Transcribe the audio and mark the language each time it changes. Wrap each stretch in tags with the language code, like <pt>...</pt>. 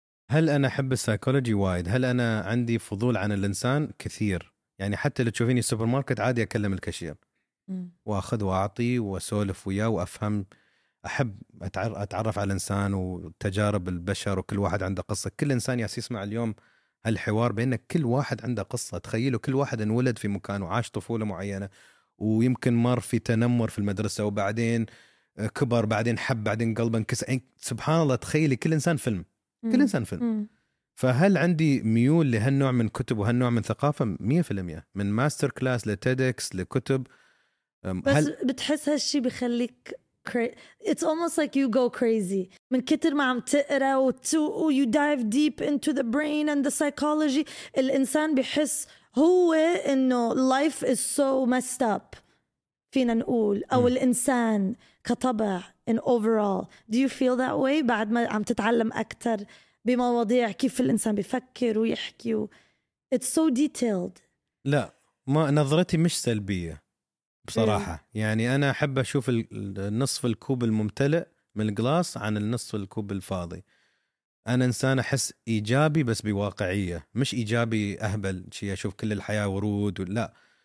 <ar>هل أنا أحب psychology وايد؟ هل أنا عندي فضول عن الإنسان؟ كثير يعني حتى اللي تشوفيني السوبر ماركت عادي أكلم الكاشير وأخذ وأعطي وأسولف وياه وأفهم أحب أتعرف على الإنسان وتجارب البشر وكل واحد عنده قصة كل إنسان ياس يسمع اليوم هالحوار بأنك كل واحد عنده قصة تخيله كل واحد انولد في مكان وعاش طفولة معينة ويمكن مر في تنمر في المدرسة وبعدين كبر بعدين حب بعدين قلبه انكسر سبحان الله تخيلي كل إنسان فيلم كل إنسان فيلم فهل عندي ميول لهالنوع من كتب وهالنوع من ثقافة 100% من ماستر كلاس لتيدكس لكتب بس هل... بتحس هالشي بخليك</ar> <en>It's almost like you go crazy.</en> <ar>من كتر ما عم تقرأ</ar> <en>you dive deep into the brain and the psychology.</en> <ar>الإنسان بيحس هو إنه</ar> <en>life is so messed up.</en> <ar>فينا نقول أو الإنسان كطبع</ar> <en>in overall. Do you feel that way?</en> <ar>بعد ما عم تتعلم أكتر بمواضيع كيف الإنسان بيفكر ويحكي.</ar> <en>It's so detailed.</en> <ar>لا ما نظرتي مش سلبية. بصراحة يعني أنا أحب أشوف النصف الكوب الممتلئ من الجلاس عن النصف الكوب الفاضي أنا إنسان أحس إيجابي بس بواقعية مش إيجابي أهبل شيء أشوف كل الحياة ورود لا</ar>